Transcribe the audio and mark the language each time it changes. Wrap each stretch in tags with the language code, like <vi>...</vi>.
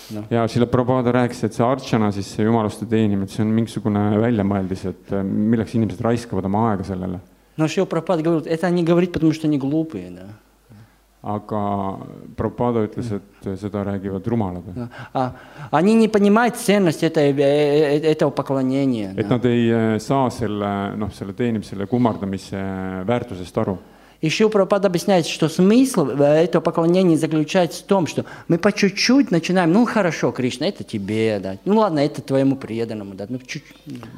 <et>Ja selle Prabhupada rääkis, et see arčana, siis see jumaluste teenim, et see on mingisugune väljamõeldis, et milleks inimesed raiskavad oma aega sellele. No see</et> <ru>Prabhupada говорил, et они говорит, потому что они глупые, да.</ru> <et>Aga Prabhupada ütles, et seda räägivad rumalad.</et> <ru>Они не понимают ценность этого поклонения.</ru> <et>Et nad ei saa selle, noh, selle teenimisele kummardamise väärtusest aru.</et> <ru>Еще Прабхупада объясняет, что смысл этого поклонения заключается в том, что мы по чуть-чуть начинаем, ну хорошо, Кришна, это тебе, да, ну ладно, это твоему преданному, да, ну чуть-чуть.</ru>